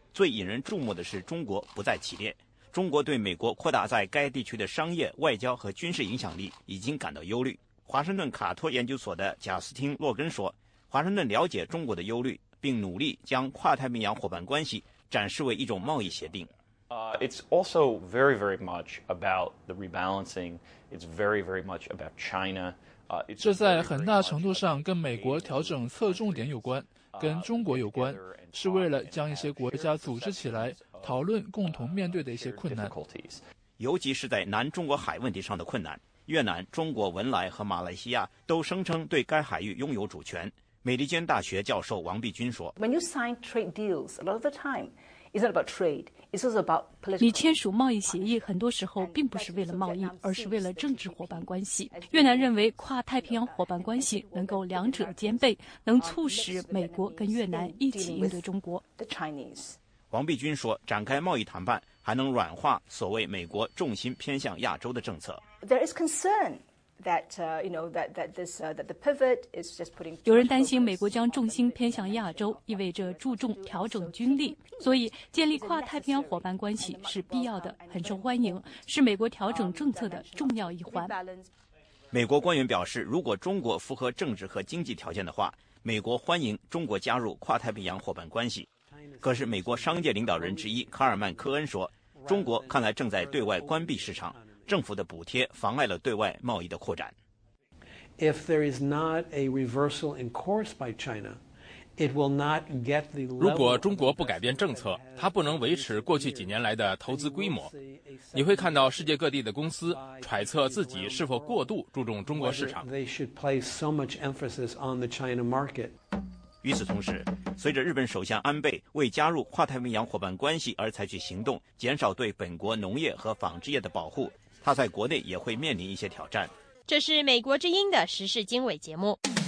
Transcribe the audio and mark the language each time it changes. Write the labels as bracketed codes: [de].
[zh] 最引人注目的是中国不在其列。中国对美国扩大在该地区的商业、外交和军事影响力已经感到忧虑。华盛顿卡托研究所的贾斯汀·洛根说，华盛顿了解中国的忧虑，并努力将跨太平洋伙伴关系展示为一种贸易协定。 [en] It's also very, very much about the rebalancing. It's very, very much about China. [zh] 这在很大程度上跟美国调整侧重点有关，跟中国有关，是为了将一些国家组织起来，讨论共同面对的一些困难，尤其是在南中国海问题上的困难。越南、中国、文莱和马来西亚都声称对该海域拥有主权。美利坚大学教授王碧君说 [en] ：“When you sign trade deals, a lot of the time, it's not about trade.” [zh] 你签署贸易协议很多时候并不是为了贸易，而是为了政治伙伴关系。越南认为跨太平洋伙伴关系能够两者兼备，能促使美国跟越南一起应对中国。王碧君说，展开贸易谈判还能软化所谓美国重心偏向亚洲的政策。 [en] There is concern. That the pivot is just putting [zh] 有人担心美国将重心偏向亚洲，意味着注重调整军力，所以建立跨太平洋伙伴关系是必要的，很受欢迎，是美国调整政策的重要一环。美国官员表示，如果中国符合政治和经济条件的话，美国欢迎中国加入跨太平洋伙伴关系。可是美国商界领导人之一卡尔曼·科恩说，中国看来正在对外关闭市场，政府的补贴妨碍了对外贸易的扩展。 [en] If there is not a reversal in course by China, it will not get the. [zh] 如果中国不改变政策，它不能维持过去几年来的投资规模。你会看到世界各地的公司揣测自己是否过度注重中国市场。 [en] They should place so much emphasis on the China market. [zh] 与此同时，随着日本首相安倍为加入跨太平洋伙伴关系而采取行动，减少对本国农业和纺织业的保护。他在国内也会面临一些挑战。这是美国之音的时事经纬节目。